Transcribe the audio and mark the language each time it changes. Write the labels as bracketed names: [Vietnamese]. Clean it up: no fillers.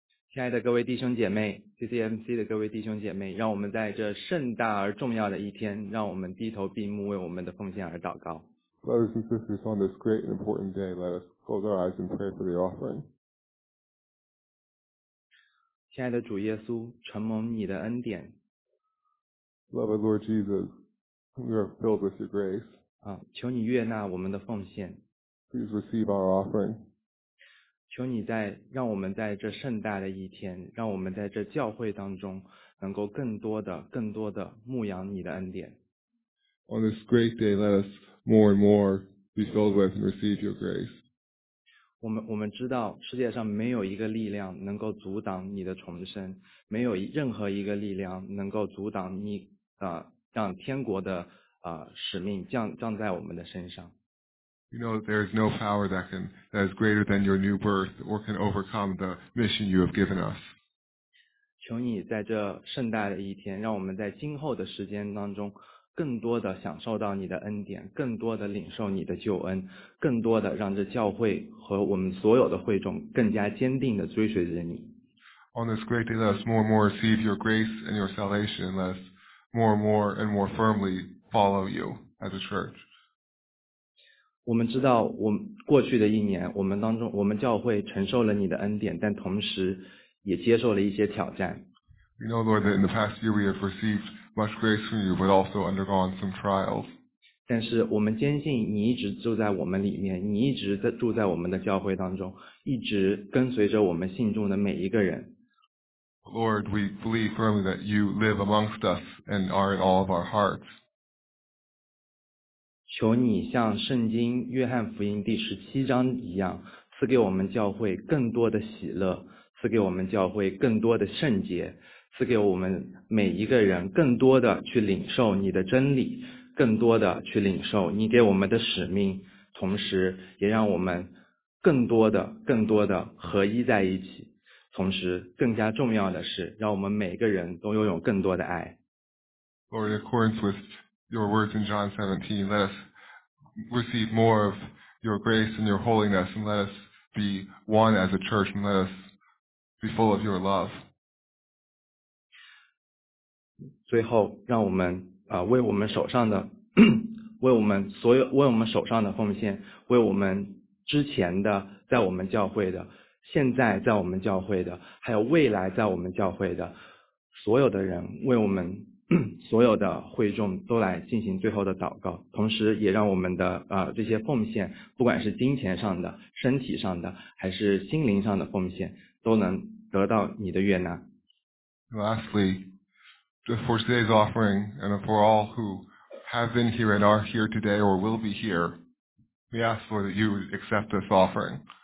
[Chinese] 亲爱的各位弟兄姐妹， CCMC 的各位弟兄姐妹，让我们在这盛大而重要的一天，让我们低头闭目为我们的奉献而祷告。 [English] Brothers and sisters, on this great and important day, let us close our eyes and pray for the offering. [Chinese] 亲爱的主耶稣，承蒙你的恩典。 [English] Beloved Lord Jesus, we are filled with your grace. [Chinese] 求你悦纳我们的奉献。 [English] Please receive our offering. [Chinese] 求你在让我们在这盛大的一天，让我们在这教会当中能够更多的牧养你的恩典。 [English] On this great day, let us more and more be filled with and receive your grace. [Chinese] 我们知道世界上没有一个力量能够阻挡你的重生，没有任何一个力量能够阻挡你让天国的使命降在我们的身上。 [English] You know that there is no power that is greater than your new birth or can overcome the mission you have given us. [Chinese] 求你在这盛大的一天，让我们在今后的时间当中更多的享受到你的恩典，更多的领受你的救恩，更多的让这教会和我们所有的会众更加坚定的追随着你。 [English] On this great day, let us more and more receive your grace and your salvation, and let us more and more and more firmly follow you as a church. [Chinese] 我们知道我们过去的一年我们当中我们教会承受了你的恩典，但同时也接受了一些挑战。 [English] We know, Lord, that in the past year we have received much grace from you, but also undergone some trials. [Chinese] 但是我们坚信你一直住在我们里面，你一直在住在我们的教会当中，一直跟随着我们信众的每一个人。 [English] Lord, we believe firmly that you live amongst us and are in all of our hearts. [Chinese] 求你像圣经约翰福音第十七章一样，赐给我们教会更多的喜乐，赐给我们教会更多的圣洁，赐给我们每一个人更多的去领受你的真理，更多的去领受你给我们的使命，同时也让我们更多的合一在一起，同时更加重要的是让我们每个人都拥有更多的爱。 [English] Lord, according to your words in John 17, let us receive more of your grace and your holiness, and let us be one as a church, and let us be full of your love. [Chinese] 最后让我们为我们手上的为我们手上的奉献，为我们之前的在我们教会的，现在在我们教会的，还有未来在我们教会的所有的人，为我们所有的会众都来进行最后的祷告，同时也让我们的这些奉献，不管是金钱上的、身体上的，还是心灵上的奉献，都能得到你的悦纳。 [English] Lastly, for today's offering and for all who have been here and are here today or will be here, we ask for that you accept this offering.